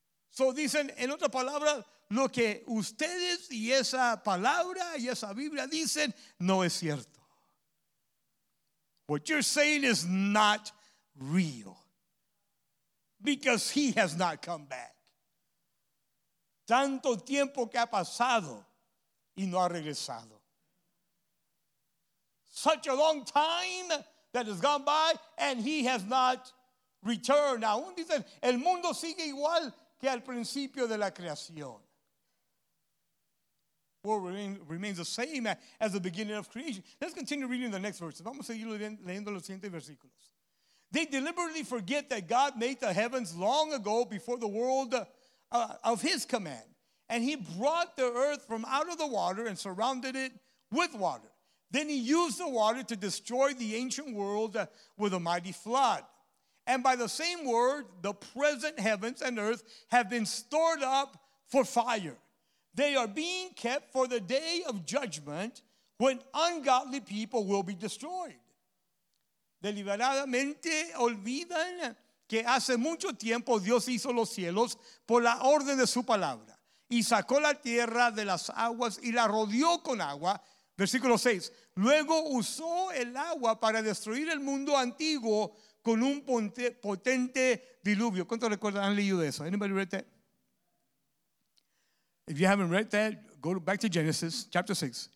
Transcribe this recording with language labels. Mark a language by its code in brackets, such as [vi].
[es] So dicen, en otra palabra, lo que ustedes y esa palabra y esa Biblia dicen no es cierto. [en] What you're saying is not real. Because he has not come back. [es] Tanto tiempo que ha pasado y no ha regresado. [en] Such a long time that has gone by and he has not returned. [es] Aún dicen, el mundo sigue igual que al principio de la creación. [en] World remains the same as the beginning of creation. Let's continue reading the next verses. [es] Vamos a seguir leyendo los siguientes versículos. [en] They deliberately forget that God made the heavens long ago before the world of his command. And he brought the earth from out of the water and surrounded it with water. Then he used the water to destroy the ancient world with a mighty flood. And by the same word, the present heavens and earth have been stored up for fire. They are being kept for the day of judgment when ungodly people will be destroyed. [es] Deliberadamente olvidan que hace mucho tiempo Dios hizo los cielos por la orden de su palabra. Y sacó la tierra de las aguas y la rodeó con agua. Versículo 6. Luego usó el agua para destruir el mundo antiguo con un potente diluvio. ¿Cuántos recuerdan? ¿Han leído eso? [en] Anybody read that? If you haven't read that, go back to Genesis chapter 6.